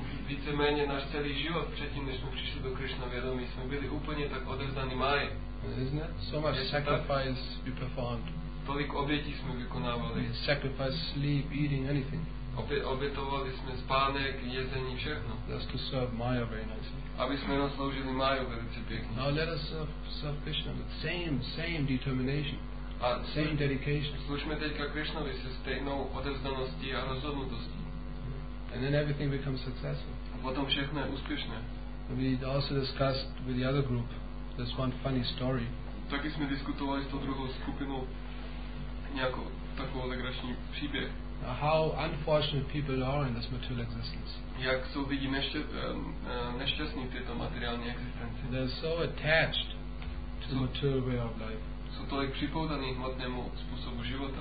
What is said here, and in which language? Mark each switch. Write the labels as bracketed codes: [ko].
[cs] víceméně náš celý život předtím, než jsme přišli do Krishna vědomí, jsme byli úplně tak odevzdaní Maji. [en] So much sacrifice we performed. [cs] Tolik obětí jsme vykonávali. [en] Sacrifice, sleep, eating, anything. [cs] Obětovali jsme spánek, jezení, všechno. [en] Just to serve Maya very nicely. [cs] Aby jsme nám sloužili Maju velice pěkně. [en] Now let us serve Krishna with same determination. A same dedication. [cs] Služme teďka Krishnovi se stejnou odevzdaností a rozhodnutostí. [en] And then everything becomes successful. [cs] A potom všechno je úspěšné. [en] We also discussed with the other group this one funny story. [cs] Taky jsme diskutovali s tou druhou skupinou nějakou takovou legrační příběh. [en] How unfortunate people are in this material existence. [cs] Jak jsou lidi nešťastní v této materiální existenci. [en] They're so attached to the material way of life. [cs] Jsou tolik připoutaní k hmotnému způsobu života.